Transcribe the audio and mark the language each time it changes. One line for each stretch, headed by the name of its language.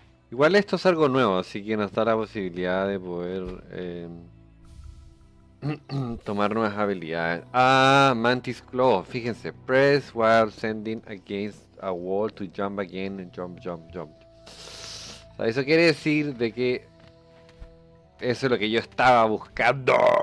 Spanish: Igual esto es algo nuevo, así que nos da la posibilidad de poder tomar nuevas habilidades. Ah, Mantis Claw. Fíjense.
English: Press while sending against a wall to jump again. Jump, jump, jump.
Spanish: sea, eso quiere decir de que eso es lo que yo estaba buscando.